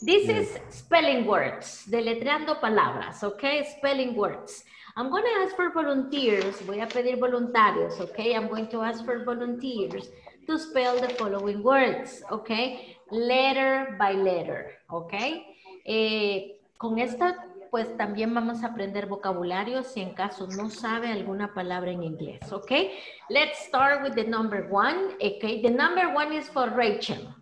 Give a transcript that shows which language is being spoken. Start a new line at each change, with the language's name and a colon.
English: This is spelling words, deletreando palabras, okay, spelling words. I'm going to ask for volunteers, voy a pedir voluntarios, okay, I'm going to ask for volunteers to spell the following words, okay, letter by letter, okay.
Spanish: Con esta, pues también vamos a aprender vocabulario si en caso no sabe alguna palabra en inglés, okay.
English: Let's start with the number one, okay, the number one is for Rachel.